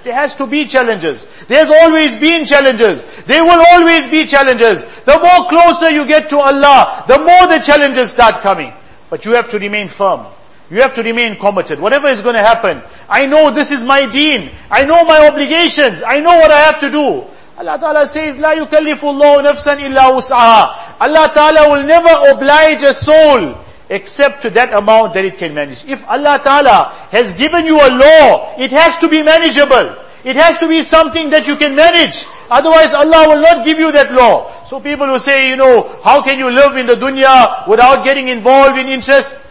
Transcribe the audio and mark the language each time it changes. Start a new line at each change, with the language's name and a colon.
English: There has to be challenges. There's always been challenges. There will always be challenges. The more closer you get to Allah, the more the challenges start coming. But you have to remain firm. You have to remain committed. Whatever is going to happen, I know this is my deen. I know my obligations. I know what I have to do. Allah Ta'ala says,
Arabic: لا يكلف الله نفسا إلا وسعها.
English: Allah Ta'ala will never oblige a soul except to that amount that it can manage. If Allah Ta'ala has given you a law, it has to be manageable. It has to be something that you can manage. Otherwise Allah will not give you that law. So people who say, you know, how can you live in the dunya without getting involved in interest?